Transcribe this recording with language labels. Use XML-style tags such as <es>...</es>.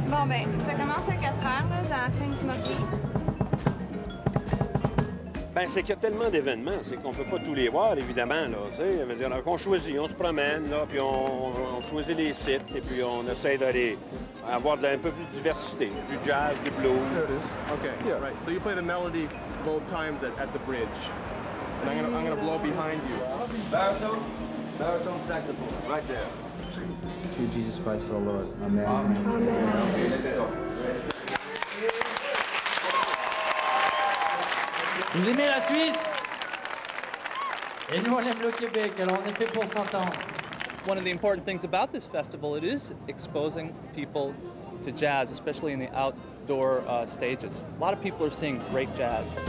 <fr>Bon, ben, ça commence à 4h, là, dans Saint-Smoky. Ben, c'est qu'il y a tellement d'événements, c'est qu'on peut pas tous les voir, évidemment, là, tu sais. Ça veut dire qu'on choisit, on se promène, là, puis on choisit les sites, et puis on essaie d'aller avoir un peu plus de diversité, du jazz, du blues.</fr> <en>There it is. Okay. Yeah. Right. So you play the melody both times at the bridge. And I'm gonna blow behind you. Baritone saxophone, right there. To Jesus Christ, our Lord. Amen.</en> <fr>Vous aimez la Suisse? Et nous, on aime le Québec, alors on est fait pour s'entendre.</fr> <en>One of the important things about this festival, it is exposing people to jazz, especially in the outdoor stages. A lot of people are seeing great jazz.</en>